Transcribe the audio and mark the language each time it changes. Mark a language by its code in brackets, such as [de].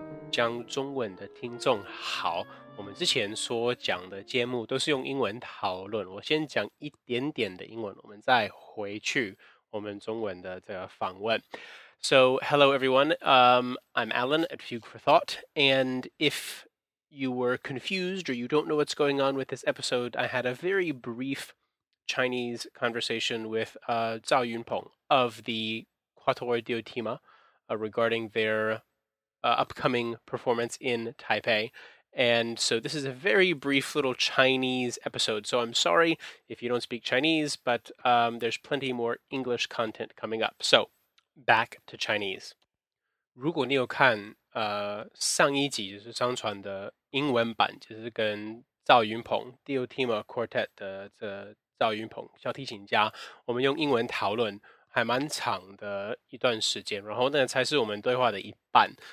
[zh] 江中文的听众好，我们之前所讲的节目都是用英文讨论，我先讲一点点的英文，我们再回去我们中文的这个访问。 [en] So, hello everyone, I'm Alan at Fugue for Thought, and if you were confused or you don't know what's going on with this episode, I had a very brief Chinese conversation with Zhao Yunpeng of the Quatuor Diotima regarding their upcoming performance in Taipei. And so this is a very brief little Chinese episode, so I'm sorry if you don't speak Chinese, but there's plenty more English content coming up. So, back to Chinese. [zh] 如果你有看上一集就是上传的英文版，就是跟赵云鹏 Diotima Quartet 的这赵云鹏小提琴家，我们用英文讨论还蛮长的一段时间，然后那才是我们对话的一半。